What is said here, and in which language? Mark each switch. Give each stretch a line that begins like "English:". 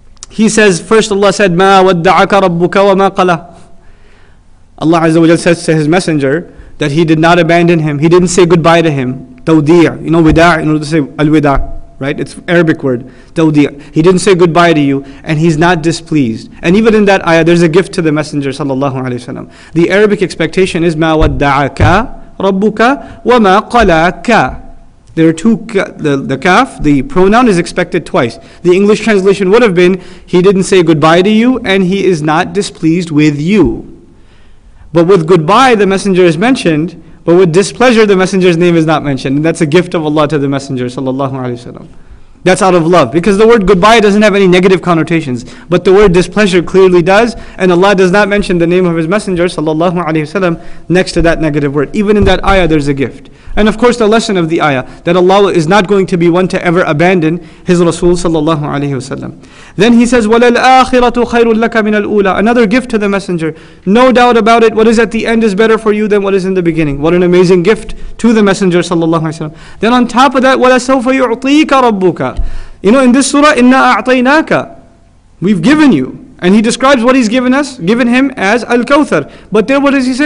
English: He says, first Allah said,
Arabic: مَا وَدَّعَكَ رَبُّكَ وَمَا قَلَى.
English: Allah Azza wa Jalla says to his messenger that he did not abandon him. He didn't say goodbye to him. Tawdi'a. You know, wida', in order to say al-wida', right? It's Arabic word. Tawdi'a. He didn't say goodbye to you, and he's not displeased. And even in that ayah, there's a gift to the messenger, sallallahu alayhi wa sallam. The Arabic expectation is,
Arabic: مَا وَدَّعَكَ رَبُّكَ وَمَا قَلَاكَ.
English: There are two, the kaf, the pronoun is expected twice. The English translation would have been, he didn't say goodbye to you, and he is not displeased with you. But with goodbye, the messenger is mentioned, but with displeasure, the messenger's name is not mentioned. And that's a gift of Allah to the messenger, sallallahu alayhi wa sallam. That's out of love, because the word goodbye doesn't have any negative connotations, but the word displeasure clearly does, and Allah does not mention the name of his messenger, sallallahu alayhi wa sallam, next to that negative word. Even in that ayah, there's a gift. And of course, the lesson of the ayah, that Allah is not going to be one to ever abandon his Rasul, sallallahu alayhi wa sallam. Then he says,
Arabic: وَلَلْ آخِرَةُ خَيْرٌ لَكَ مِنَ الْأُولَىٰ.
English: Another gift to the messenger. No doubt about it, what is at the end is better for you than what is in the beginning. What an amazing gift to the messenger, sallallahu alayhi wa sallam. Then on top of that,
Arabic: وَلَسَوْفَ يُعْطِيكَ رَبُّكَ.
English: You know, in this surah,
Arabic: إِنَّا أَعْطَيْنَاكَ.
English: We've given you. And he describes what he's given him as Al-Kawthar. But then what does he say?